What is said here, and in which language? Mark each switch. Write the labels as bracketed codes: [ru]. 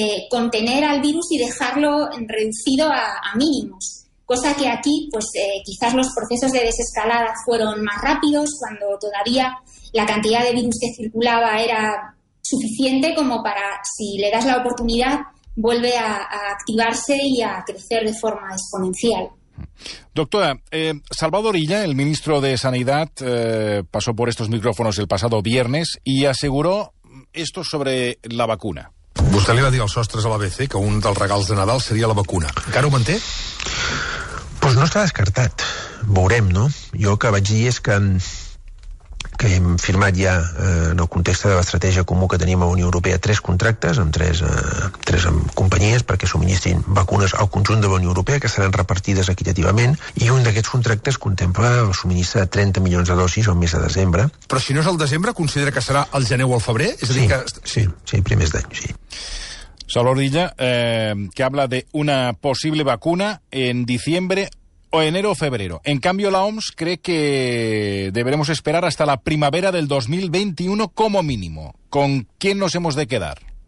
[es] contener al virus y dejarlo reducido a mínimos, cosa que aquí pues quizás los procesos de desescalada fueron más rápidos cuando todavía la cantidad de virus que circulaba era suficiente como para, si le das la oportunidad, vuelve a activarse y a crecer de forma exponencial. Doctora, Salvador Illa, el ministro de Sanidad, pasó por estos micrófonos el pasado viernes y aseguró esto sobre la vacuna. [ca] Vostè li va dir als sostres a l'ABC que un dels regals de Nadal seria la vacuna. Encara ho manté? Pues no està descartat. Veurem, no? Jo el que vaig dir és que hem firmat ja, en el context de l'estratègia comú que tenim a Unió Europea, tres contractes amb tres companyies perquè subministrin vacunes al conjunt de la Unió Europea, que seran repartides equitativament, i un d'aquests contractes contempla el subministre de 30 milions de dosis al mes de desembre. Però si no és el desembre, considera que serà el gener o el febrer? És a dir, sí, primers d'any, sí. [es] Salvador Illa, que habla de una possible vacuna en diciembre o enero o febrero. En cambio, la OMS cree que deberemos esperar hasta la primavera del 2021 como mínimo. ¿Con quién nos hemos de quedar?